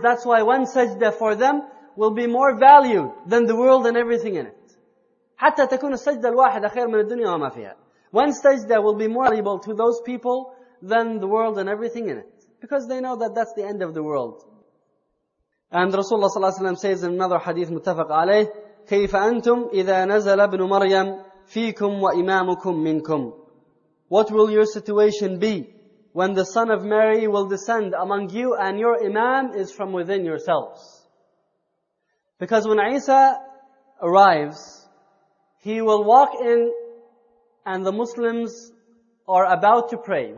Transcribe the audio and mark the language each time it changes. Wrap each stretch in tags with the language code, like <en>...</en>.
<en>That's why one sajda for them will be more valued than the world and everything in it.</en> <ar>حَتَّى تَكُونَ السَّجْدَ الْوَاحِدَ خَيْرٌ مِنَ الدُّنْيَا وَمَا فِيهَا.</ar> <en>One sajda will be more valuable to those people than the world and everything in it. Because they know that that's the end of the world.</en> <ar>And Rasulullah صلى الله عليه وسلم</ar> <en>says in another hadith</en> <ar>متفق عليه, كيف أنتم إذا نزل ابن مريم فيكم وإمامكم منكم.</ar> <en>What will your situation be when the son of Mary will descend among you and your imam is from within yourselves? Because when Isa arrives, he will walk in and the Muslims are about to pray.</en>